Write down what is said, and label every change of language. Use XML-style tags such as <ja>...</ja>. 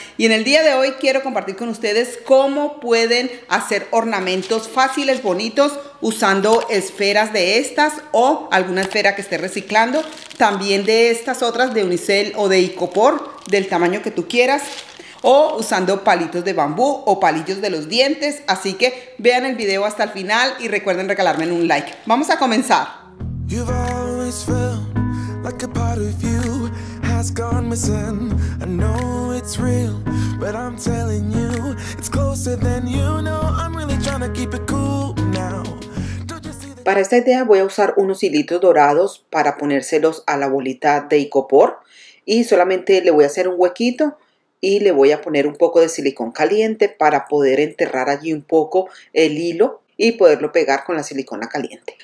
<es>Y en el día de hoy quiero compartir con ustedes cómo pueden hacer ornamentos fáciles, bonitos, usando esferas de estas o alguna esfera que esté reciclando. También de estas otras de unicel o de icopor, del tamaño que tú quieras. O usando palitos de bambú o palillos de los dientes. Así que vean el video hasta el final y recuerden regalarme un like. Vamos a comenzar.</es> <en>You've always felt like a part of you has gone missing. I know it's real, but I'm telling you, it's closer than you know. I'm really trying to keep it cool now.</en> <es>Para esta idea voy a usar unos hilitos dorados para ponérselos a la bolita de icopor y solamente le voy a hacer un huequito y le voy a poner un poco de silicón caliente para poder enterrar allí un poco el hilo y poderlo pegar con la silicona caliente.</es>